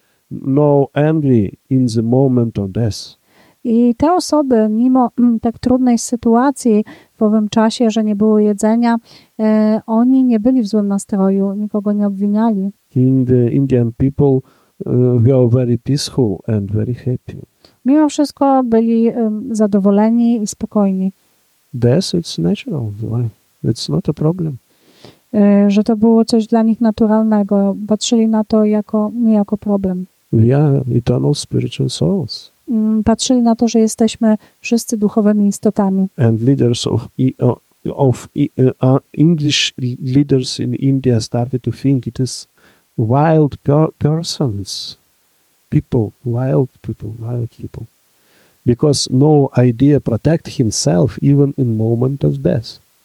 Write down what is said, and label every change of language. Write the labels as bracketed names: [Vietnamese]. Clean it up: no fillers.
[English] No angry in the moment of death. [Polish] I te osoby, mimo tak trudnej sytuacji w owym czasie, że nie było jedzenia, oni nie byli w złym nastroju, nikogo nie obwiniali. [English] Indian people were very peaceful and very happy. [Polish] Mimo wszystko byli zadowoleni i spokojni. [English] death, it's natural. It's not a problem. [Polish] Że to było coś dla nich naturalnego. Patrzyli na to jako, nie jako problem. [English] We are eternal spiritual souls. [Polish] Patrzyli na to, że jesteśmy wszyscy duchowymi istotami. [English] And leaders of English leaders in India started to think it is wild persons, wild people. Because no idea protect himself even in moment of death.